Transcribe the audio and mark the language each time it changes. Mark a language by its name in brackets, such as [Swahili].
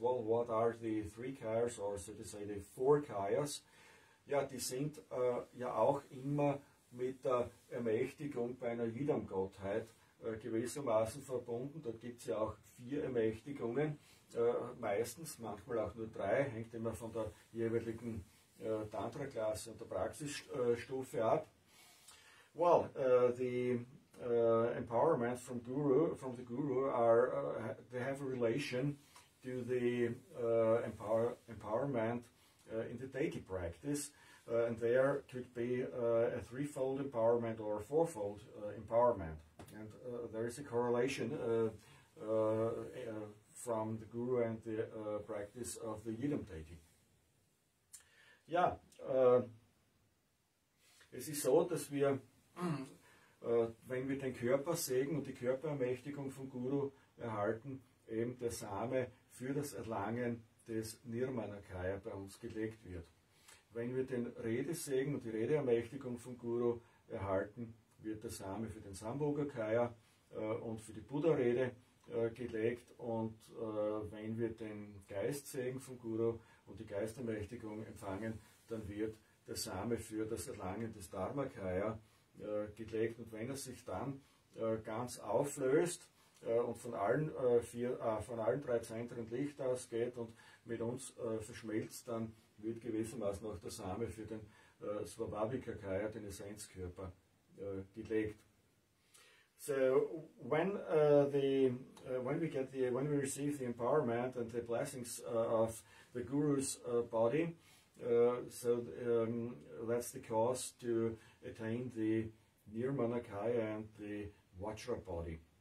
[English] Well, what are the three Kayas or so to say the four Kayas? [German] Ja, die sind ja auch immer mit der Ermächtigung bei einer Yidam-Gottheit gewissermaßen verbunden. Da gibt es ja auch vier Ermächtigungen, meistens, manchmal auch nur drei, hängt immer von der jeweiligen Tantra-Klasse und der Praxisstufe ab. [English] Well, the empowerment from Guru, from the Guru, are they have a relation to the empowerment in the daily practice, and there could be a threefold empowerment or a fourfold empowerment, and there is a correlation from the Guru and the practice of the Yidam Deity. [German] Ja, es ist so, dass wir, wenn wir den Körpersegen und die Körperermächtigung von Guru erhalten, eben der Same für das Erlangen des Nirmanakaya bei uns gelegt wird. Wenn wir den Redesegen und die Redeermächtigung von Guru erhalten, wird der Same für den Sambhogakaya und für die Buddha-Rede gelegt, und wenn wir den Geistsegen von Guru und die Geistermächtigung empfangen, dann wird der Same für das Erlangen des Dharmakaya gelegt. Und wenn er sich dann ganz auflöst und von allen drei Zentren Licht ausgeht und mit uns verschmilzt, dann wird gewissermaßen auch der Same für den Svabhavikakaya, den Essenzkörper, gelegt. [English] So when when we receive the empowerment and the blessings of the Guru's body, that's the cause to attain the Nirmanakaya and the Vajra body.